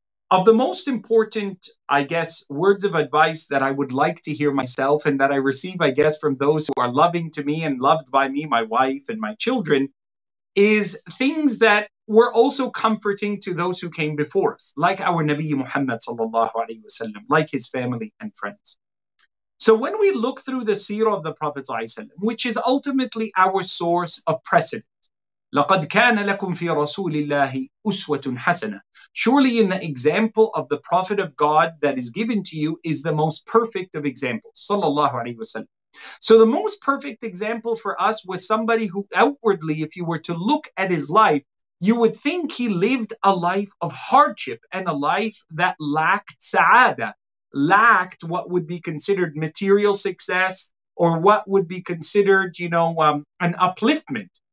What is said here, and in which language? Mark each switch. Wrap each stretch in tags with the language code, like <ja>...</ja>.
<en>Of the most important, I guess, words of advice that I would like to hear myself and that I receive, I guess, from those who are loving to me and loved by me, my wife and my children, is things that were also comforting to those who came before us, like our Nabi Muhammad sallallahu alaihi wasallam, like his family and friends. So when we look through the seerah of the Prophet sallallahu alaihi wasallam, which is ultimately our source of precedent,</en> <ar>لقد كان لكم في رسول الله أسوة حسنة.</ar> <en>Surely in the example of the Prophet of God that is given to you is the most perfect of examples.</en> <ar>صلى الله عليه وسلم.</ar> <en>So the most perfect example for us was somebody who outwardly, if you were to look at his life, you would think he lived a life of hardship and a life that lacked سعادة, lacked what would be considered material success or what would be considered, you know, an upliftment.</en>